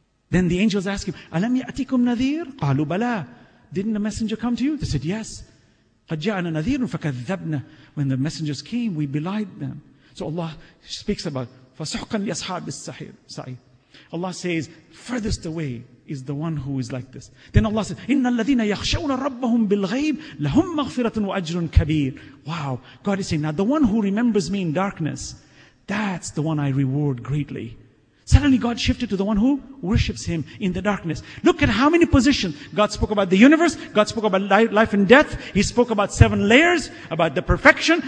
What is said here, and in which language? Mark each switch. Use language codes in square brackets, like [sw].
[en] Then the angels ask him, [ar] أَلَمْ يَأْتِكُمْ نَذِيرٌ قَالُوا بَلَى. [en] Didn't the messenger come to you? They said, yes. [ar] قَدْ جَاءَنَا نَذِيرٌ فَكَذَّبْنَا. [en] When the messengers came, we belied them. So Allah speaks about, [ar] فَسُحْقًا لِأَصْحَابِ السَّعِيرِ. [en] Allah says, furthest away is the one who is like this. Then Allah says, [ar] إِنَّ الَّذِينَ يَخْشَوْنَ رَبَّهُمْ بِالْغَيْبِ لَهُمْ مَغْفِرَةٌ وَأَجْرٌ كَبِيرٌ. [en] Wow, God is saying, now the one who remembers me in darkness, that's the one I reward greatly. Suddenly God shifted to the one who worships Him in the darkness. Look at how many positions. God spoke about the universe. God spoke about life and death. He spoke about seven layers, about the perfection.